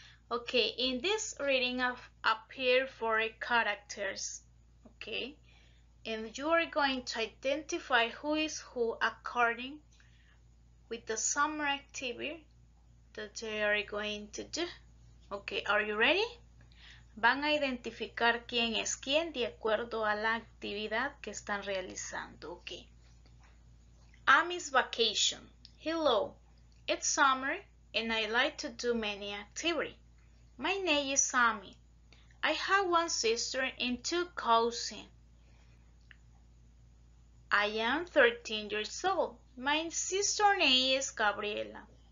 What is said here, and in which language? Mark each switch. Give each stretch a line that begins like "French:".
English: Okay, in this reading appear four characters. Okay. And you are going to identify who is who according with the summer activity that they are going to do. Okay, are you ready?
Spanish: Van a identificar quién es quién de acuerdo a la actividad que están realizando.
English: Okay. Amy's vacation. Hello. It's summer and I like to do many activity. My name is Amy. I have one sister and two cousins. I am 13 years old. My sister name is Gabriela.